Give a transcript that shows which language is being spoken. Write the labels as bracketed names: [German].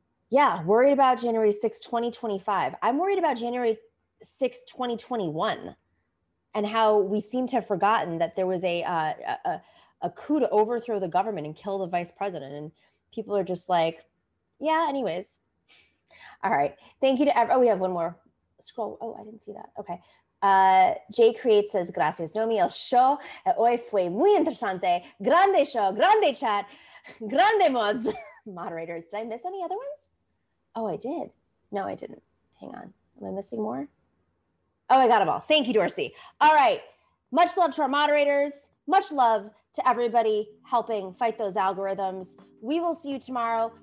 [English] Yeah, worried about January 6, 2025. I'm worried about January 6, 2021, and how we seem to have forgotten that there was a coup to overthrow the government and kill the vice president. And people are just like, yeah, anyways. All right. Thank you to everyone. Oh, we have one more. Scroll. Oh, I didn't see that. Okay. Jay Create says, gracias, Nomi. [Spanish] El show hoy fue muy interesante. Grande show. Grande chat. Grande mods. Moderators. [English] Did I miss any other ones? Oh, I did. No, I didn't. Hang on. Am I missing more? Oh, I got them all. Thank you, Dorsey. All right. Much love to our moderators. Much love to everybody helping fight those algorithms. We will see you tomorrow.